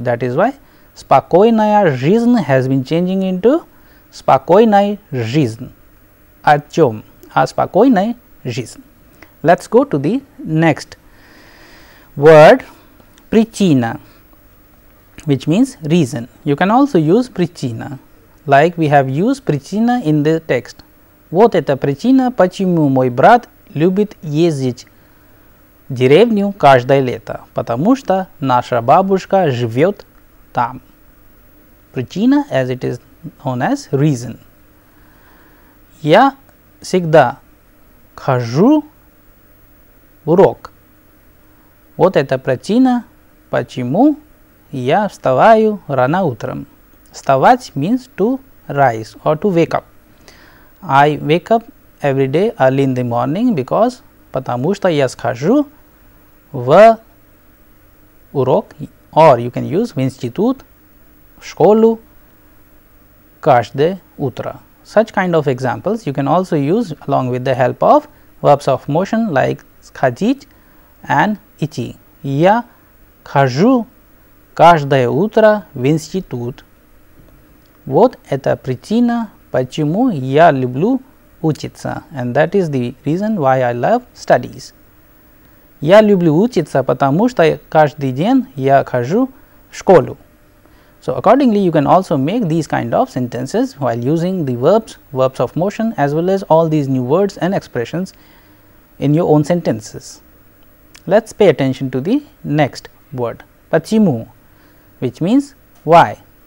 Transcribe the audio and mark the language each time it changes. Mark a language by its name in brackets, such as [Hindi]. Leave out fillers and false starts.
[English] That is why [Russian] спокойная жизнь [English] has been changing into [Russian] спокойной жизнь. О чем? О спокойной жизни. [English] Let's go to the next word, причина, which means reason. You can also use причина, like we have used причина in the text. [Russian] Вот эта причина, почему мой брат любит ездить в деревню каждое лето, потому что наша бабушка живет там. [English] Причина, as it is known as reason. [Russian] Я всегда хожу урок. Вот это причина, почему я вставаю рано утром. [English] Вставать means to rise or to wake up. I wake up every day early in the morning [Russian] потому что я схожу в урок, [English] or you can use [Russian] в институт, в школу каждое утро. [English] Such kind of examples you can also use along with the help of verbs of motion like сходить and идти. [Russian] Я хожу каждое утро в институт. Вот это причина, почему я люблю учиться. [English] And that is the reason why I love studies. [Russian] Я люблю учиться, потому что каждый день я хожу в школу. [English] So, accordingly, you can also make these kind of sentences while using the verbs, verbs of motion, as well as all these new words and expressions in your own sentences. Let's pay attention to the next word, почему, which means why.